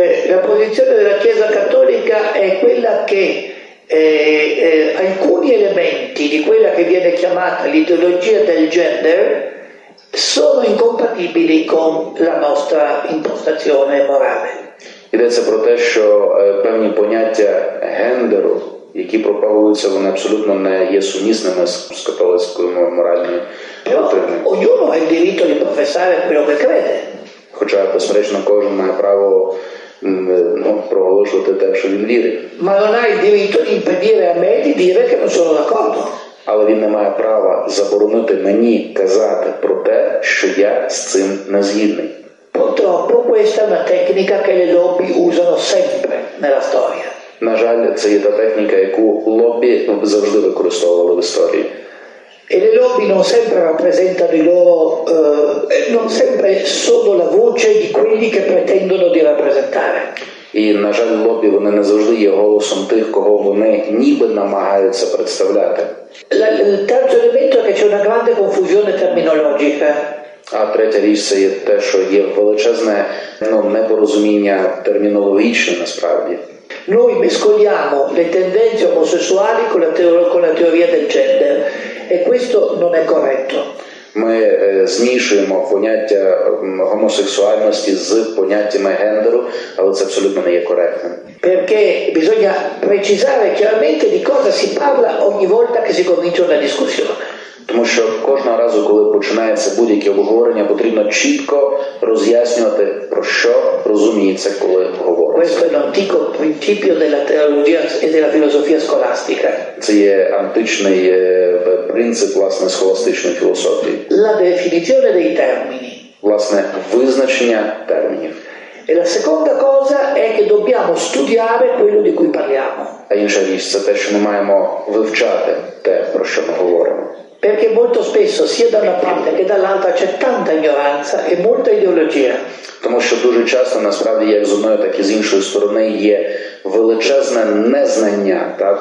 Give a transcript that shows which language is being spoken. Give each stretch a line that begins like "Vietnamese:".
Italian: La posizione della Chiesa Cattolica è quella che alcuni elementi di quella che viene chiamata l'ideologia del gender sono incompatibili con la nostra impostazione morale.
Ukrainian: Йдеться про те, що певні поняття гендеру, які пропагуються, вони абсолютно не є сумісними з католицькою моральною доктриною.
Italian: Ognuno ha il diritto di professare quello che crede.
Ukrainian: Хоча, безперечно, кожен має право проголошувати те, що він вірить.
Italian: Ma non ha il diritto di impedire a me di dire che non sono d'accordo.
Ukrainian: Але він не має права заборонити мені казати про те, що я з цим не згідний.
Italian: Purtroppo questa è una tecnica che le lobby usano sempre nella storia.
Ukrainian: На жаль, це є та техніка, яку лобби завжди використовували в історії.
Italian: E le lobby non sempre rappresentano i loro, non sempre sono la voce di quelli che pretendono di rappresentare.
Ukrainian: І, на жаль, лобби, вони не завжди є голосом тих, кого вони ніби намагаються представляти.
Italian: Il terzo elemento è che c'è una grande confusione terminologica.
Ukrainian: А третя річ – це є те, що є величезне непорозуміння термінологічне, насправді.
Italian: Noi mescoliamo le tendenze omosessuali con la teoria del gender, e questo non è corretto.
Ukrainian: Ми змішуємо поняття гомосексуальності з поняттями гендеру, але це абсолютно не є коректним.
Italian: Perché bisogna precisare chiaramente di cosa si parla ogni volta che si comincia una discussione.
Ukrainian: Тому що кожного разу, коли починається будь-яке обговорення, потрібно чітко роз'яснювати, про що розуміється, коли говориться.
Italian: Questo è l'antico principio della teologia e della filosofia scolastica.
Ukrainian: Це є античний принцип, власне, схоластичної філософії.
Italian: La definizione dei termini.
Ukrainian: Власне, визначення термінів.
Italian: E la seconda cosa è che dobbiamo studiare quello di cui parliamo.
Ukrainian: А інша річ – це те, що ми маємо вивчати те, про що ми говоримо.
Italian: Perché molto spesso, sia da una parte che dall'altra, c'è tanta ignoranza e molta ideologia.
Ukrainian: Тому що дуже часто, насправді, як з одної, так і з іншої сторони, є величезне незнання, так?